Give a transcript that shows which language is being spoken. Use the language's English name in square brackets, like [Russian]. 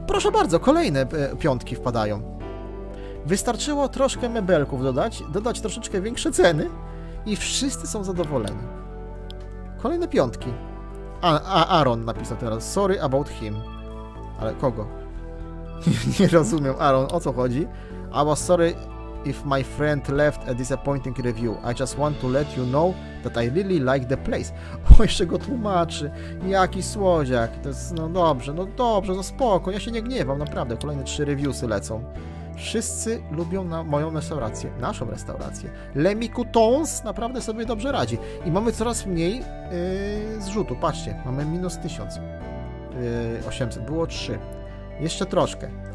[Polish] Proszę bardzo, kolejne piątki wpadają. Wystarczyło troszkę mebelków dodać troszeczkę większe ceny i wszyscy są zadowoleni. Kolejne piątki. A Aaron napisał teraz. [English] Sorry about him. [Polish] Ale kogo? Nie rozumiem, Aaron, o co chodzi? [English] I was sorry if my friend left a disappointing review. I just want to let you know that I really like the place. [Polish] O, jeszcze go tłumaczy. Jaki słodziak. To jest, no dobrze, no spoko. Ja się nie gniewam, naprawdę. Kolejne 3 reviewsy lecą. Wszyscy lubią moją restaurację. Naszą restaurację. Lemmy Coutons naprawdę sobie dobrze radzi. I mamy coraz mniej zrzutu. Patrzcie, mamy minus 1000. 800, było 3. Jeszcze troszkę.